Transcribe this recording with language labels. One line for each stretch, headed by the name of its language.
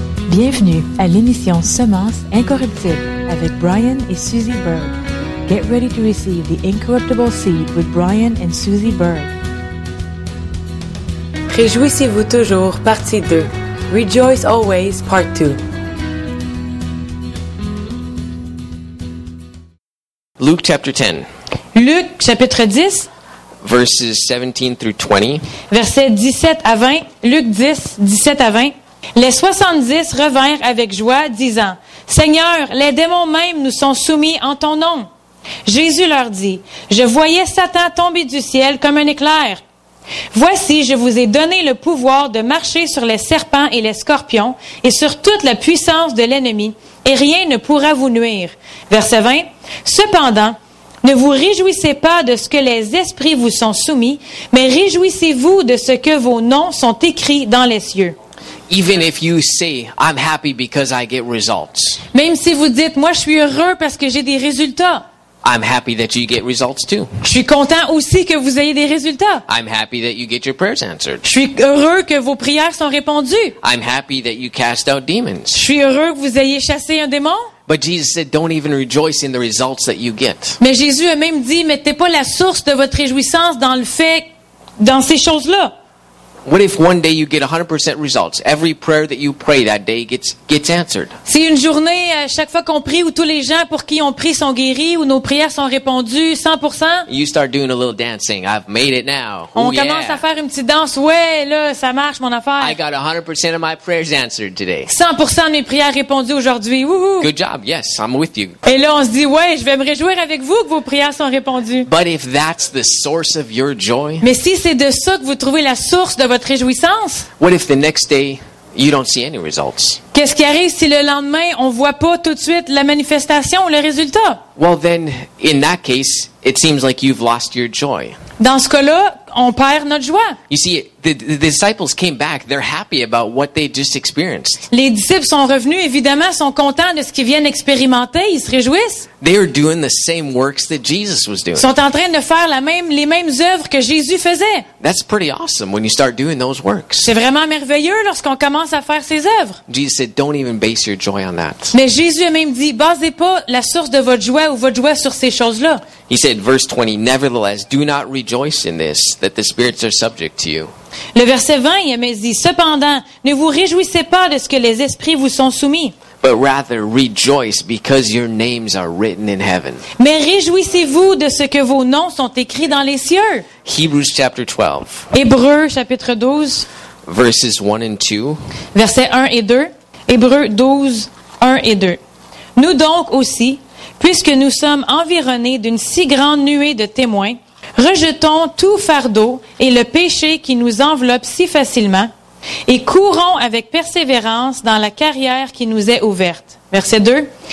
French: Bienvenue à l'émission Semences incorruptibles avec Brian et Suzy Berg.
English: Get ready to receive the incorruptible seed with Brian and Suzy Berg.
French: Réjouissez-vous toujours, partie 2.
English: Rejoice always, part 2. Luke chapter 10.
French: Luc chapitre 10.
English: Verses 17 through 20.
French: Versets 17 à 20. Luc 10, 17 à 20. Les 70 revinrent avec joie, disant, « Seigneur, les démons même nous sont soumis en ton nom. » Jésus leur dit, « Je voyais Satan tomber du ciel comme un éclair. Voici, je vous ai donné le pouvoir de marcher sur les serpents et les scorpions et sur toute la puissance de l'ennemi, et rien ne pourra vous nuire. » Verset 20, « Cependant, ne vous réjouissez pas de ce que les esprits vous sont soumis, mais réjouissez-vous de ce que vos noms sont écrits dans les cieux. »
English: Even if you say, I'm happy because I get results.
French: Même si vous dites, moi je suis heureux parce que j'ai des résultats.
English: I'm happy that you get results too.
French: Je suis content aussi que vous ayez des résultats.
English: I'm happy that you get your prayers answered.
French: Je suis heureux que vos prières sont répondues.
English: I'm happy that you cast out demons.
French: Je suis heureux que vous ayez chassé un démon.
English: But Jesus said, don't even rejoice in the results that you get.
French: Mais Jésus a même dit, mettez pas la source de votre réjouissance dans le fait, dans ces choses-là.
English: What if one day you get 100% results? Every prayer that you pray that day gets answered.
French: Si une journée à chaque fois qu'on prie ou tous les gens pour qui on prie sont guéris ou nos prières sont répondues 100%?
English: You start doing a little dancing. I've made it now.
French: On commence à faire une petite danse. Ouais, là, ça marche mon affaire.
English: I got 100% of my prayers answered today.
French: 100% de mes prières répondues aujourd'hui. Woohoo!
English: Good job. Yes, I'm with you.
French: Et là on se dit ouais, je vais me réjouir avec vous que vos prières sont répondues.
English: But if that's the source of your joy?
French: Mais si c'est de ça que vous trouvez la source de votre réjouissance?
English: What if the next day you don't see any results?
French: Qu'est-ce qui arrive si le lendemain on voit pas tout de suite la manifestation ou le résultat?
English: Well then, in that case, it seems like you've lost your joy.
French: Dans ce cas-là, on perd notre joie.
English: You see, the disciples came back. They're happy about what they just experienced.
French: Les disciples sont revenus, évidemment, sont contents de ce qu'ils viennent expérimenter. Ils se réjouissent.
English: They are doing the same works that Jesus was doing.
French: Ils sont en train de faire les mêmes œuvres que Jésus faisait.
English: That's pretty awesome when you start doing those works.
French: C'est vraiment merveilleux lorsqu'on commence à faire ces œuvres.
English: Jesus said, "Don't even base your joy on that."
French: Mais Jésus a même dit, basez pas la source de votre joie ou votre joie sur ces choses-là.
English: He said, verse 20, "Nevertheless, do not rejoice in this, that the spirits are subject to you."
French: Le verset 20, il me dit, cependant, ne vous réjouissez pas de ce que les esprits vous sont soumis.
English: But rather rejoice because your names are written in heaven.
French: Mais réjouissez-vous de ce que vos noms sont écrits dans les cieux.
English: Hebrews chapter 12.
French: Hébreux chapitre 12.
English: Verses 1 and 2.
French: Versets 1 et 2. Hébreux 12, 1 et 2. Nous donc aussi, puisque nous sommes environnés d'une si grande nuée de témoins, rejetons tout fardeau et le péché qui nous enveloppe si facilement et courons avec persévérance dans la carrière qui nous est ouverte. Verset 2.